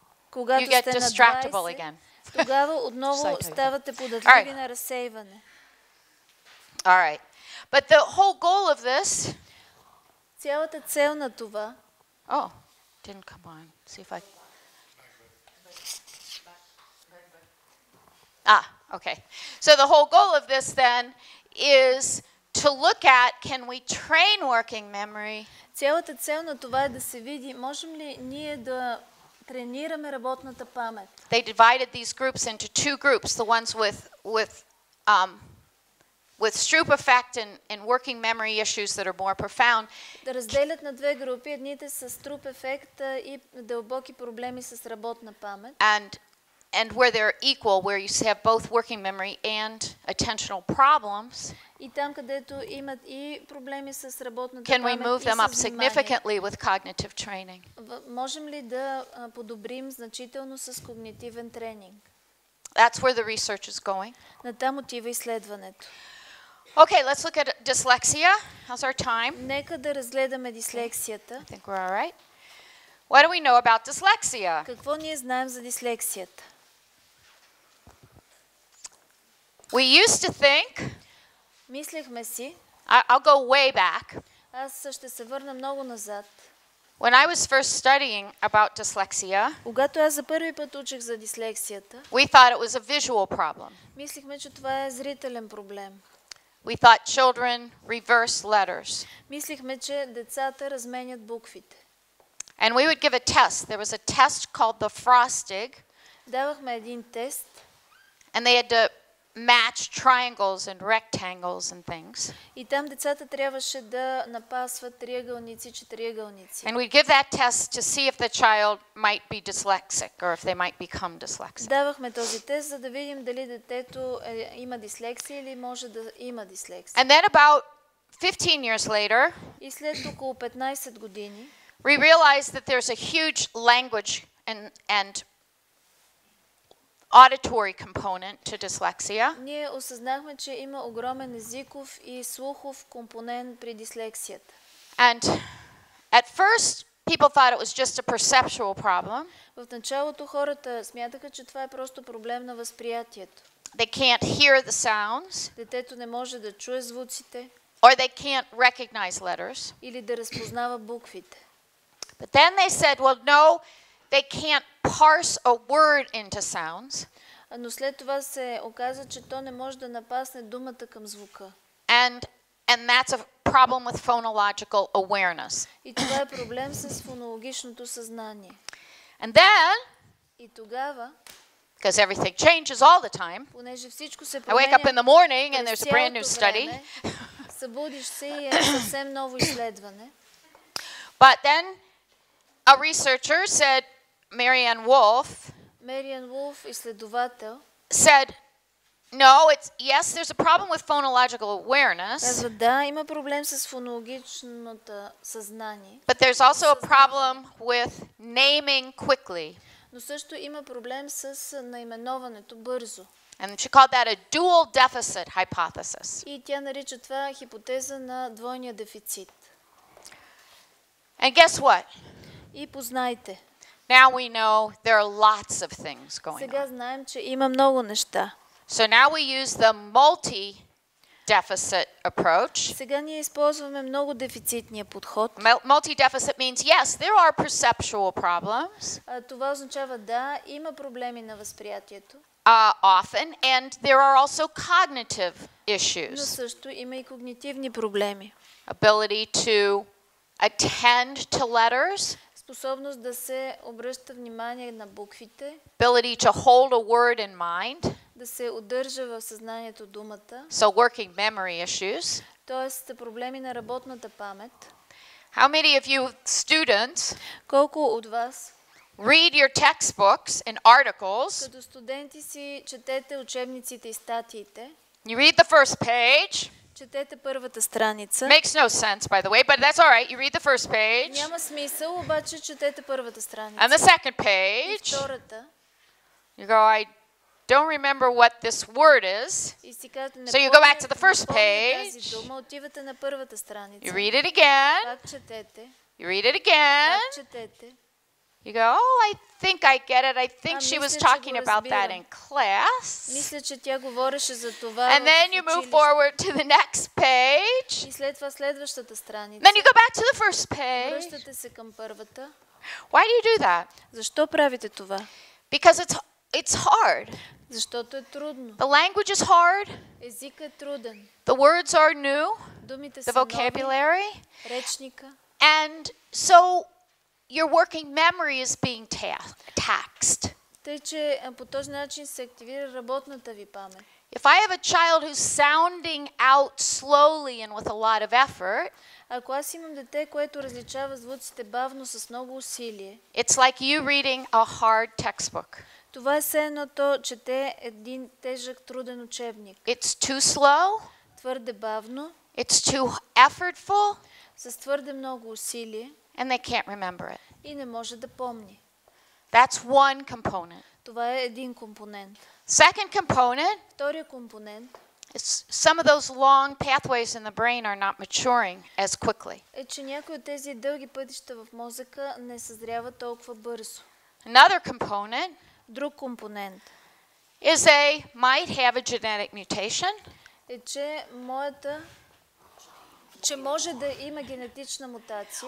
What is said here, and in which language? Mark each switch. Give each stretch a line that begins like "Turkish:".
Bulgarian: Когато
English: you get distractible again.
Bulgarian: Тогава отново ставате податливи на разсейване.
English: All right. But the whole goal of this.
Bulgarian: Цялата цел на това.
English: Oh, didn't come on. See if I. Ah, okay. So the whole goal of this then is to look at can we train working memory?
Bulgarian: Цялата цел на това е да се види можем ли ние да тренираме работната памет.
English: They divided these groups into two groups, the ones with Stroop effect and working memory issues that are more profound.
Bulgarian: Да разделят на две групи, едните с Stroop effect и дълбоки проблеми с работна памет.
English: And where they're equal, where you have both working memory and attentional problems.
Bulgarian: И там където имат и проблеми с работната памет.
English: Can we move them up significantly with cognitive training?
Bulgarian: Можем ли да подобрим значително с когнитивен тренинг?
English: That's where the research is going.
Bulgarian: На там отива изследването.
English: Okay, let's look at dyslexia. How's our time?
Bulgarian: Нека да разгледаме дислексията.
English: I think we're all right. What do we know about dyslexia?
Bulgarian: Какво ние знаем за дислексията?
English: We used to think.
Bulgarian: Мислихме си.
English: I'll go way back.
Bulgarian: Аз ще се върна много назад.
English: When I was first studying about dyslexia,
Bulgarian: когато аз за първи път учих за дислексията,
English: we thought it was a visual problem.
Bulgarian: Мислихме, че това е зрителен проблем.
English: We thought children reverse letters.
Bulgarian: Мислихме, че децата разменят буквите.
English: And we would give a test. There was a test called the frosting.
Bulgarian: Давахме един тест.
English: And they had to match triangles and rectangles and things.
Bulgarian: И там децата трябваше да напасват триъгълници, четириъгълници.
English: And we'd give that test to see if the child might be dyslexic or if they might become dyslexic.
Bulgarian: Давахме този тест, за да видим дали детето има дислексия или може да има дислексия.
English: And then about 15 years later,
Bulgarian: и след около 15 години,
English: we realized that there's a huge language and auditory component to dyslexia.
Bulgarian: Ние осъзнахме, че има огромен езиков и слухов компонент при дислексията.
English: And at first people thought it was just a perceptual problem.
Bulgarian: В началото хората смятаха, че това е просто проблем на възприятието.
English: They can't hear the sounds.
Bulgarian: Детето не може да чуе звуците.
English: Or they can't recognize letters.
Bulgarian: Или да разпознава буквите.
English: But then they said, well, no, they can't parse a word into sounds.
Bulgarian: Но след това се оказа, че то не може да напасне думата към звука.
English: And that's a problem with phonological awareness.
Bulgarian: И това е проблем с фонологичното съзнание.
English: And then,
Bulgarian: и тогава,
English: because everything changes all the time,
Bulgarian: понеже всичко се променя,
English: I wake up in the morning and there's a brand new study.
Bulgarian: Събудиш се и е съвсем ново изследване.
English: But then a researcher said, Marianne Wolf,
Bulgarian: Marianne Wolf, изследовател,
English: said, no, it's, yes, there's a problem with phonological awareness.
Bulgarian: Казва, да, има проблем с фонологичното съзнание.
English: But there's also a problem with naming quickly.
Bulgarian: Но също има проблем с наименуването бързо.
English: And she called that a dual deficit hypothesis.
Bulgarian: И тя нарича това хипотеза на двойния дефицит.
English: And guess what?
Bulgarian: И познайте.
English: Now we know there are lots of things going
Bulgarian: сега
English: on.
Bulgarian: Знаем, че има много неща.
English: So now we use the multi-deficit approach.
Bulgarian: Сега ние използваме много дефицитния подход.
English: Multi-deficit means yes, there are perceptual problems.
Bulgarian: Това означава да, има проблеми на възприятието.
English: Often and there are also cognitive issues.
Bulgarian: Но също има и когнитивни проблеми.
English: Ability to attend to letters.
Bulgarian: Способност да се обръща внимание на буквите.
English: Ability to hold a word in mind.
Bulgarian: Да се удържа в съзнанието думата.
English: So working memory issues.
Bulgarian: Тоест проблеми на работната памет.
English: How many of you students?
Bulgarian: Колко от вас?
English: Read your textbooks and articles.
Bulgarian: Като студенти си четете учебниците и статиите.
English: You read the first page.
Bulgarian: Четете първата страница.
English: Makes no sense, by the way, but that's all right. You read the first page.
Bulgarian: Няма смисъл, обаче четете първата страница.
English: And the second page.
Bulgarian: Втората.
English: You go, I don't remember what this word is. So you go back to the first page.
Bulgarian: Отивате на първата страница.
English: You read it again.
Bulgarian: Пак четете.
English: You read it again.
Bulgarian: Пак четете.
English: You go, oh, I think I get it. I think she was talking about that in class.
Bulgarian: Мисля, че тя говореше за това.
English: And then you move forward to the next page.
Bulgarian: И след това следващата страница.
English: Then you go back to the first page.
Bulgarian: Връщате се към първата.
English: Why do you do that?
Bulgarian: Защо правите това?
English: Because it's hard.
Bulgarian: Защото е трудно.
English: The language is hard.
Bulgarian: Езикът е труден.
English: The words are new.
Bulgarian: Думите са нови.
English: The vocabulary.
Bulgarian: Речника.
English: And so your working memory is being taxed.
Bulgarian: Тъй че по този начин се активира работната ви памет.
English: If I have a child who's sounding out slowly and with a lot of effort,
Bulgarian: ако аз имам дете, което различава звуците бавно с много усилие,
English: it's like you reading a hard textbook.
Bulgarian: Това е все едно то, чете един тежък, труден учебник.
English: It's too slow.
Bulgarian: Твърде бавно.
English: It's too effortful.
Bulgarian: С твърде много усилие.
English: And they can't remember it.
Bulgarian: И не може да помни.
English: That's one component.
Bulgarian: Това е един компонент.
English: Second component.
Bulgarian: Вторият компонент.
English: It's some of those long pathways in the brain are not maturing as quickly.
Bulgarian: Е, че някои от тези дълги пътища в мозъка не съзряват толкова бързо.
English: Another component.
Bulgarian: Друг компонент.
English: Is they might have a genetic mutation.
Bulgarian: Е, че моята че може да има генетична мутация.